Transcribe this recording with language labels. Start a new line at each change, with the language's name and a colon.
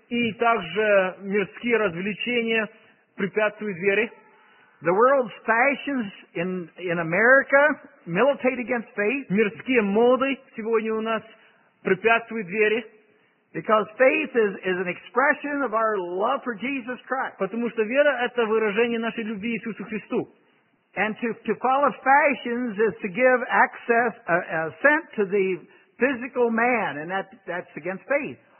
Russian: И также мирские развлечения препятствуют вере.
English: The world's fashions in America militate against faith.
Russian: Мирские моды сегодня у нас препятствуют вере.
English: Because faith is an expression of our love for Jesus Christ.
Russian: Потому что вера – это выражение нашей любви Иисусу Христу.
English: And to follow fashions is to give access, assent to the physical man, and that's against faith.